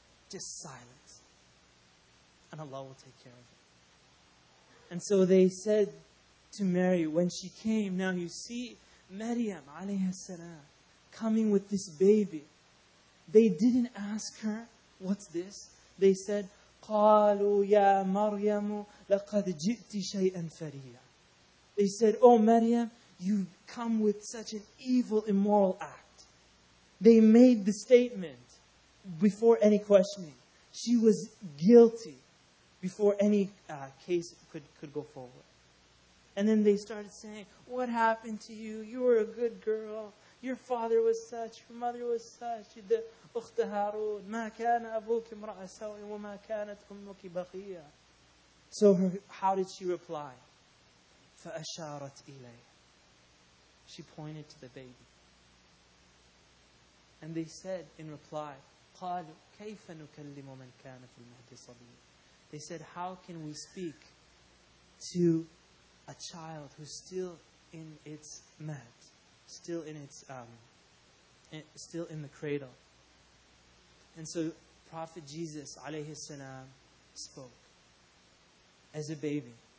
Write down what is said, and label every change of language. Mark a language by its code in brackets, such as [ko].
[en] Just silence. And Allah will take care of it. And so they said to Mary, when she came, now you see Maryam, alayhi salam, coming with this baby. They didn't ask her, what's this? They said, [ar] قَالُوا يَا مَرْيَمُ لَقَدْ جِئْتِ شَيْئًا فَرِيًّا. [en] They said, oh Maryam, you come with such an evil, immoral act. They made the statement before any questioning. She was guilty before any case could go forward. And then they started saying, what happened to you? You were a good girl. Your father was such, your mother was such. The [ar] أخت هارون ما كان أبوك امرأ سوء وما كانت أمك بغية. [en] So her, how did she reply? [ar] فأشارت إلي. [en] She pointed to the baby. And they said in reply, [ar] قال كيف نكلم من كان في المهدي صبي. [en] They said, how can we speak to a child who's still in its mat, still in its still in the cradle. And so Prophet Jesus, alayhi salam, spoke as a baby.